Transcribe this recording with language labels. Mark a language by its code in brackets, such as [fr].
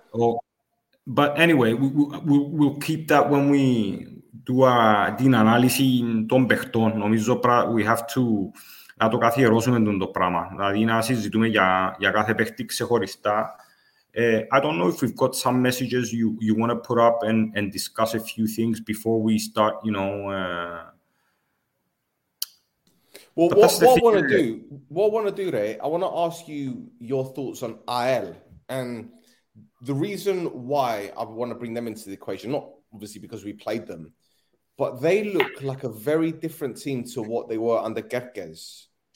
[en] Oh, but anyway, we'll keep that when we do the analysis in [el] των παιχτών. Νομίζω [en] we have to [el] να το καθιερώσουμε το πράγμα. Δηλαδή να συζητούμε για κάθε παιχτή ξεχωριστά. [en] I don't know if we've got some messages you want to put up and discuss a few things before we start, you know. What I want to do, Ray, I want to ask you your thoughts on AEL. And the reason why I want to bring them into the equation, not obviously because we played them, but they look like a very different team to what they were under Gerkes.